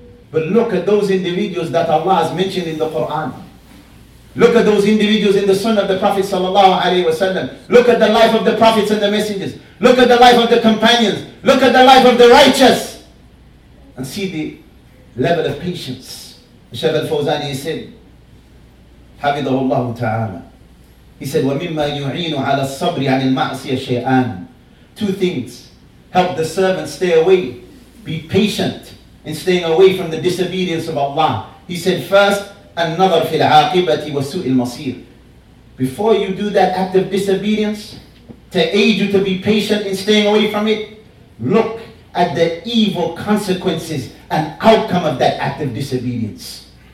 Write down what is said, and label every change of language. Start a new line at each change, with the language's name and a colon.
English: But look at those individuals that Allah has mentioned in the Quran. Look at those individuals in the sunnah of the Prophet sallallahu alaihi wasallam. Look at the life of the prophets and the messengers. Look at the life of the companions. Look at the life of the righteous. And see the level of patience. Shaykh al-Fawzani said,
Arabic: حَفِظَهُ اللَّهُ تَعَالَى
English: He said,
Arabic: وَمِمَّا يُعِينُ عَلَى الصَّبْرِ عَنِ الْمَعْصِيَةِ شَيْئًا
English: Two things. Help the servant stay away. Be patient in staying away from the disobedience of Allah. He said, first,
Arabic: النَّظَرْ فِي الْعَاقِبَةِ وَسُوءِ الْمَصِيرِ
English: Before you do that act of disobedience, to aid you to be patient in staying away from it, look at the evil consequences and outcome of that act of disobedience.